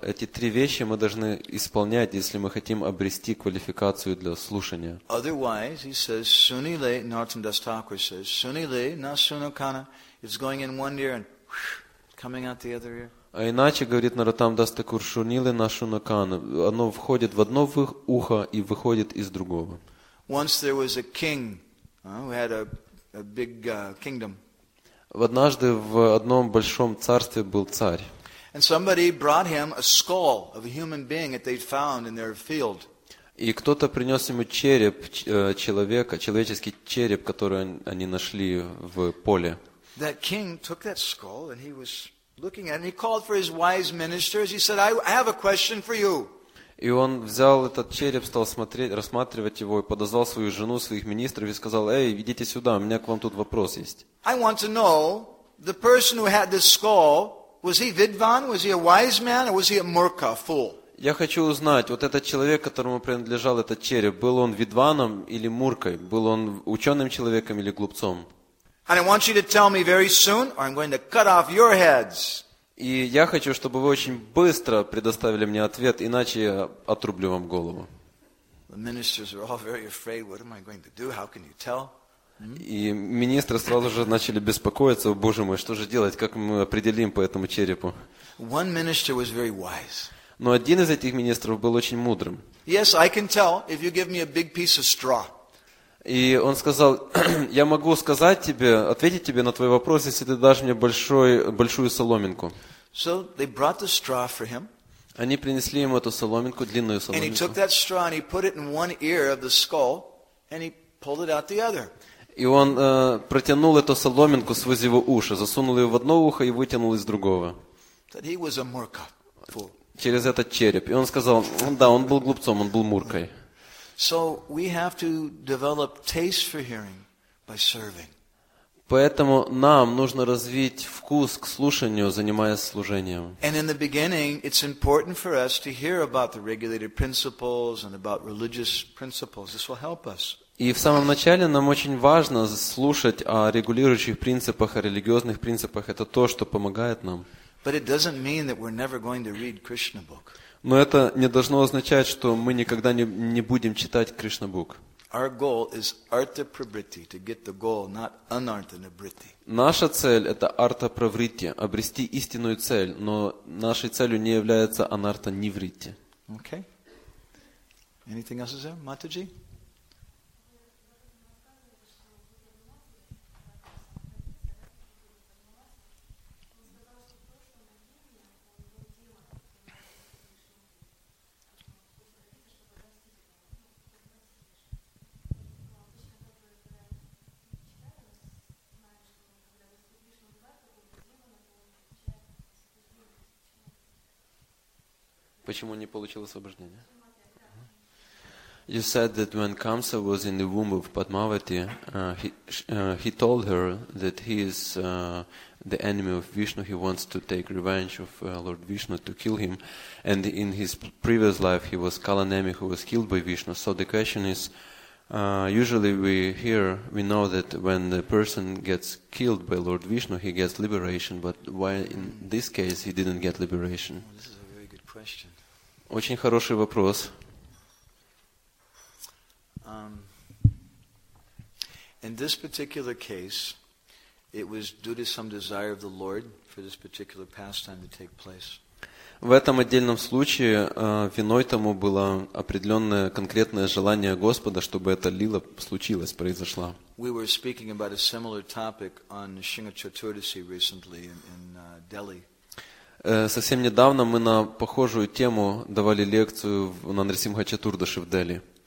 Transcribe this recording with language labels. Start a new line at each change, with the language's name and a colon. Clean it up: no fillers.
Russian: Эти три вещи мы должны исполнять, если мы хотим обрести квалификацию для слушания.
English: Otherwise, he says, Sunile, Nartam Das Thakur says,
Bangla: Sunile, na sunakana,
English: it's going in one ear and coming out the other ear.
Russian: А иначе, говорит Наратам Дас Такур, шунилы на шунакана, оно входит в одно ухо и выходит из другого.
English: Once there was a king who had a big kingdom.
Russian: Однажды в одном большом царстве был царь.
English: And somebody brought him a skull of a human being that they'd found in their field.
Russian: И кто-то принес ему череп человека, человеческий череп, который они нашли в поле.
English: That king took that skull and he was looking at it and he called for his wise ministers. He said, I have a question for you.
Russian: И он взял этот череп, стал смотреть, рассматривать его и подозвал свою жену, своих министров и сказал, эй, идите сюда, у меня к вам тут вопрос есть.
English: I want to know, the person who had this skull, was he Vidvan, was he a wise man or was he a murka, fool?
Russian: Я хочу узнать, вот этот человек, которому принадлежал этот череп, был он Видваном или Муркой? Был он ученым человеком или глупцом?
English: And I want you to tell me very soon, or I'm going to cut off your heads.
Russian: И я хочу, чтобы вы очень быстро предоставили мне ответ, иначе я отрублю вам голову.
English: The ministers are all very afraid. What am I going to do? How can you tell?
Russian: И министры сразу же начали беспокоиться. О, Боже мой, что же делать? Как мы определим по этому черепу?
English: One minister was very wise.
Russian: Но один из этих министров был очень мудрым.
English: Yes, I can tell if you give me a big piece of straw.
Russian: И он сказал, я могу сказать тебе, ответить тебе на твой вопрос, если ты дашь мне большую соломинку.
English: So they brought the straw for him.
Russian: Они принесли ему эту соломинку, длинную соломинку.
English: And he took that straw and he put it in one ear of the skull and he pulled it out the other.
Russian: И он протянул эту соломинку сквозь его уши, засунул ее в одно ухо и вытянул из другого.
English: That he was a murka, fool.
Russian: Через этот череп. И он сказал, да, он был глупцом, он был муркой.
English: So we have to develop taste for hearing by serving.
Russian: Поэтому нам нужно развить вкус к слушанию, занимаясь служением.
English: And in the beginning, it's important for us to hear about the regulated principles and about religious principles. This will help us.
Russian: И в самом начале нам очень важно слушать о регулирующих принципах, о религиозных принципах. Это то, что помогает нам.
English: But it doesn't mean that we're never going to read Krishna book.
Russian: Но это не должно означать, что мы никогда не будем читать Кришнабук.
English: Our goal is artha pravritti, to get the goal, not anartha nibritti.
Russian: Наша цель это артха правритти, обрести истинную цель, но нашей целью не является анартха нивритти.
English: Okay. Anything else is there, Mataji?
Russian: Почему не получил освобождение?
English: You said that when Kamsa was in the womb of Padmavati, he told her that he is the enemy of Vishnu. He wants to take revenge of Lord Vishnu to kill him. And in his previous life, he was Kalanemi, who was killed by Vishnu. So the question is, usually we know that when the person gets killed by Lord Vishnu, he gets liberation. But why in this case he didn't get liberation? Well, this is a very good question.
Russian: Очень хороший вопрос.
English: In this particular case, it was due to some desire of the Lord for this particular pastime to take place.
Russian: В этом отдельном случае виной тому было определенное конкретное желание Господа, чтобы эта лила случилась, произошла.
English: We were speaking about a similar topic on Nrisimha Chaturthi recently in Delhi.
Russian: Совсем недавно мы на похожую тему давали лекцию на Нрисимха Чатурдаши в Дели.